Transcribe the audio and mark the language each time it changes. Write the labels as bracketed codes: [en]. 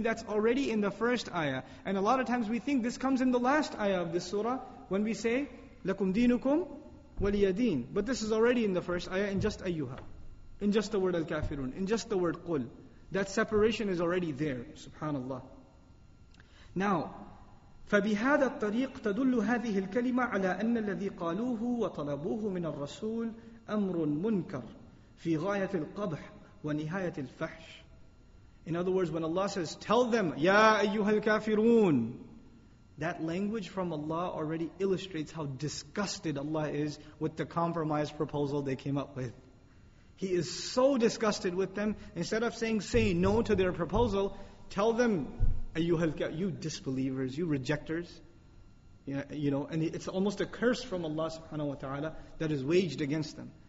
[en] That's already in the first ayah. And a lot of times we think this comes in the last ayah of this surah, when we say, [ar] لَكُمْ دِينُكُمْ وَلِيَ دِينَ. [en] But this is already in the first ayah, in just ayyuha. In just the word al-kafirun, in just the word qul. That separation is already there, subhanallah. [ar] Now, فبهذا الطريق تدل هذه الكلمة على أن الذي قالوه وطلبوه من الرسول أمر منكر في غاية القبح ونهاية الفحش. [en] In other words, when Allah says, tell them, Ya أيها الكافرون, that language from Allah already illustrates how disgusted Allah is with the compromise proposal they came up with. He is so disgusted with them, instead of saying, say no to their proposal, tell them, you disbelievers, you rejectors, you know, and it's almost a curse from Allah subhanahu wa ta'ala that is waged against them.